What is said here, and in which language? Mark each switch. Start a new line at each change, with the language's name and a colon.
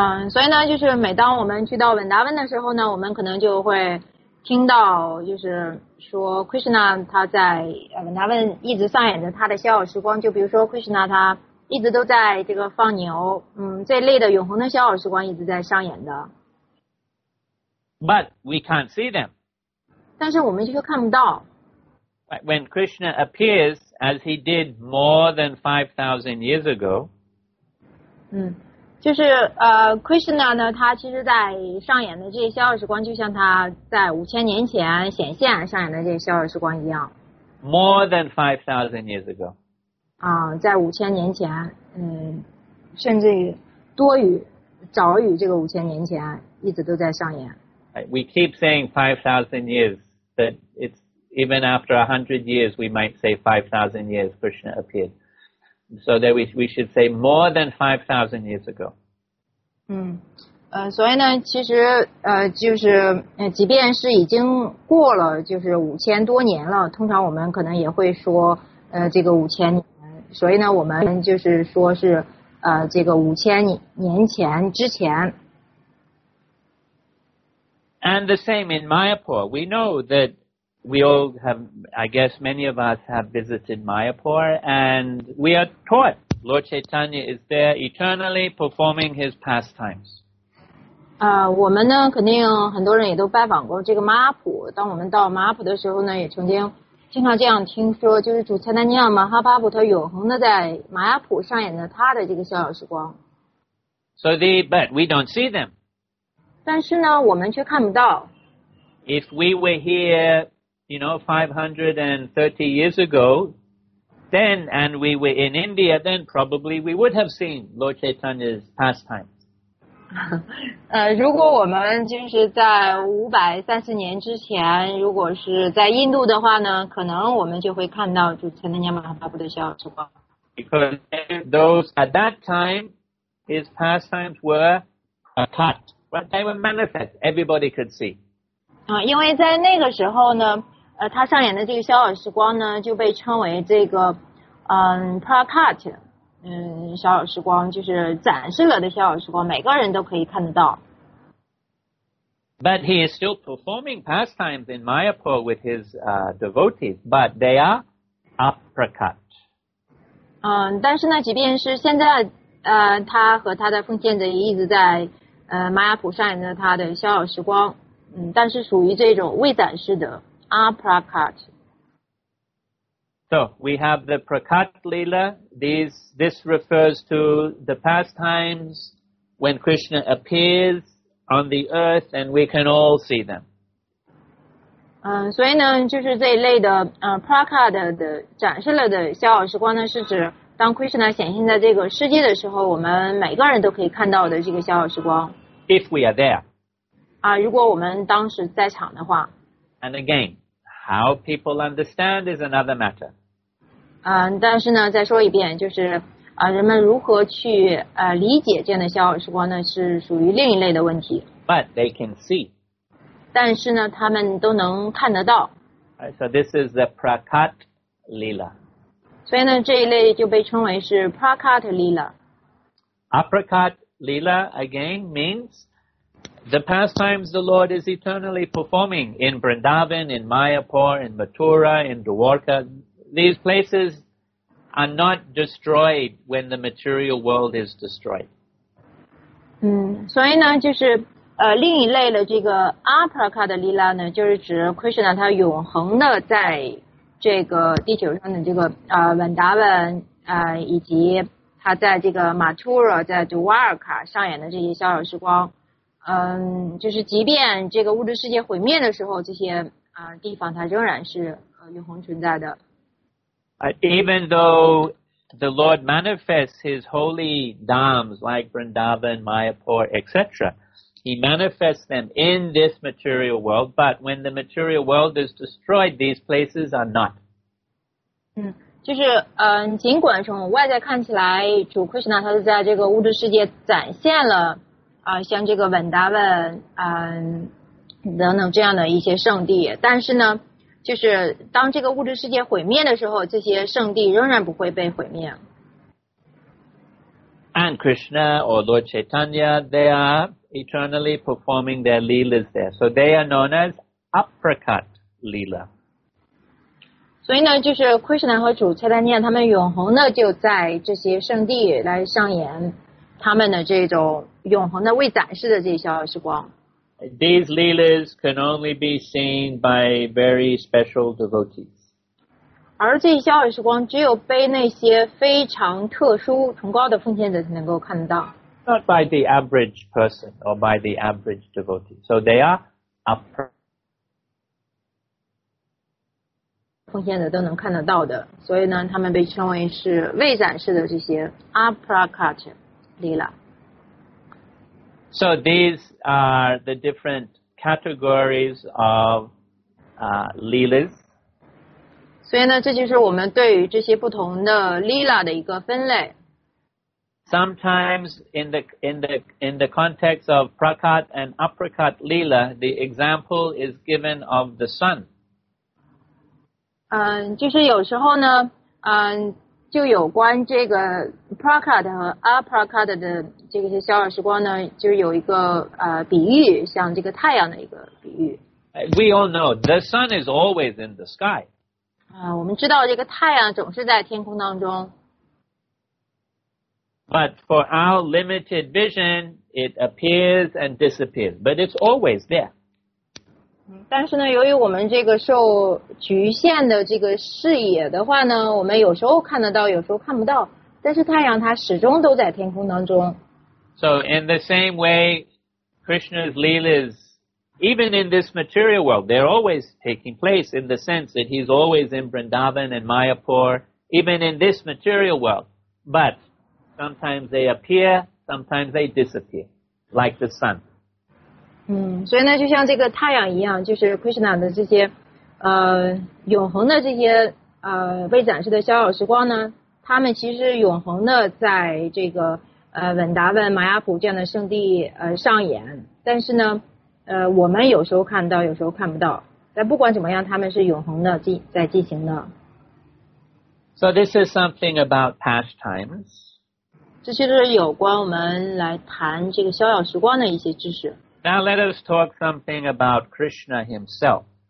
Chinese: 所以呢，就是每当我们去到 Vrindavan 的时候呢，我们可能就会听到，就是说 Krishna 他在 Vrindavan 一直上演着他的逍遥时光，就比如说 Krishna 他一直都在这个放牛，这类的永恒的逍遥时光一直在上演的。
English: But we can't see them.
Chinese: 但是我们却看不到。
English: When Krishna appears as he did more than 5,000 years ago.
Chinese: 就是Krishna 呢，他其实在上演的这些逍遥时光，就像他在5000年前显现上演的这些逍遥时光一样。
English: More than 5,000 years ago.
Chinese: 在5000年前，甚至于多于早于这个5000年前，一直都在上演。
English: We keep saying 5,000 years, but it's even after 100 years, we might say 5,000 years Krishna appeared. So that we should say more than 5,000 years ago.
Chinese: 所以呢，其实即便是已经过了就是5000多年了，通常我们可能也会说这个5000年。所以呢，我们就是说是，这个5000年前之前。
English: And the same in Mayapur. We know that we all have, I guess many of us have visited Mayapur, and we are taught Lord Chaitanya is there eternally performing his pastimes.
Chinese: 我们呢，肯定很多人也都拜访过这个马普。当我们到马普的时候呢，也曾经。经常这样听说，就是主菜丹尼亚马哈巴普特永恒的在马亚普上演的他的这个逍遥时光。
English: So they, but we don't see them.
Chinese: 但是呢，我们却看不到。
English: If we were here, you know, 530 years ago, then, and we were in India, then probably we would have seen Lord Chaitanya's pastimes.
Chinese: 如果我们就是在530年之前，如果是在印度的话呢，可能我们就会看到就前的尼亚马哈巴布的逍遥时光。
English: Because those at that time, his pastimes were prakat, but they were manifest. Everybody could see.
Chinese: 因为在那个时候呢，他上演的这个《逍遥时光》呢，就被称为这个，prakat， 《逍遥时光》就是展示了的《逍遥时光》，每个人都可以看得到。
English: But he is still performing pastimes in Mayapur with his devotees, but they are aprakat.
Chinese: 但是呢，即便是现在，他和他的奉献者一直在Mayapur 上演的他的《逍遥时光》。但是属于这种未展示的 aprakat。
English: So we have the prakat lila. This refers to the pastimes when Krishna appears on the earth and we can all see them.
Chinese: 所以呢，就是这一类的prakat 的展示了的逍遥时光呢，是指当 Krishna 显现在这个世界的时候，我们每个人都可以看到的这个逍遥时光。
English: If we are there.
Chinese: 如果我们当时在场的话。
English: And again, how people understand is another matter.
Chinese: 但是呢，再说一遍，就是人们如何去理解这样的逍遥时光呢，是属于另一类的问题。
English: But they can see.
Chinese: 但是呢，他们都能看得到。
English: Right, so this is the prakat lila.
Chinese: 所以呢，这一类就被称为是 prakat lila.
English: Aprakat lila again means. The pastimes the Lord is eternally performing in Vrindavan, in Mayapur, in Mathura, in Dwarka. These places are not destroyed when the material world is destroyed.
Chinese: 所以呢，就是另一类的这个阿普拉卡的利拉呢，就是指 Krishna 他永恒的在这个地球上的这个Vrindavan 以及他在这个 Mathura 在 Dwarka 上演的这些逍遥时光。就是即便这个物质世界毁灭的时候，这些地方它仍然是永恒存在的。
English: Even though the Lord manifests His holy dhams like Vrindavan, Mayapur, etc., He manifests them in this material world. But when the material world is destroyed, these places are not.
Chinese: 就是尽管从外在看起来，主 Krishna 他是在这个物质世界展现了。像这个文达文等等这样的一些圣地，但是呢，就是当这个物质世界毁灭的时候，这些圣地仍然不会被毁灭。
English: And Krishna or Lord Chaitanya, they are eternally performing their leelas there, so they are known as aprakat leela.
Chinese: 所以呢，就是 Krishna 和主 Chaitanya 他们永恒的就在这些圣地来上演。他们的这种永恒的未展示的这些逍遥时光。
English: These leelas can only be seen by very special devotees.
Chinese: 而这些逍遥时光只有被那些非常特殊崇高的奉献者才能够看到。
English: Not by the average person or by the average devotee. So they are upper.
Chinese: 奉献者都能看得到的，所以呢，他们被称为是未展示的这些 aprakat。
English: So these are the different categories of leelas.
Chinese: 所以呢，这就是我们对于这些不同的 leela 的一个分类。
English: Sometimes in the context of prakat and aprakat leela, the example is given of the sun.
Chinese: 就是有时候呢，就有关这个 prakat 和 aprakat 的这个逍遥时光呢，就有一个比喻，像这个太阳的一个比喻。
English: We all know the sun is always in the sky.
Chinese: 我们知道这个太阳总是在天空当中。
English: But for our limited vision, it appears and disappears, but it's always there.
Chinese: 但是呢，由于我们这个受局限的这个视野的话呢，我们有时候看得到，有时候看不到。但是太阳它始终都在天空当中。
English: So in the same way, Krishna's leelas, even in this material world, they're always taking place in the sense that he's always in Vrindavan and Mayapur, even in this material world. But sometimes they appear, sometimes they disappear, like the sun.
Chinese: 所以呢，就像这个太阳一样，就是 Krishna 的这些永恒的这些被展示的逍遥时光呢，他们其实永恒的在这个文达文、玛雅普这样的圣地上演，但是呢，我们有时候看到，有时候看不到。但不管怎么样，他们是永恒的在进行的。
English: So this is something about past times.
Chinese: 这些都是有关我们来谈这个逍遥时光的一些知识。
English: Now let us talk something about Krishna himself.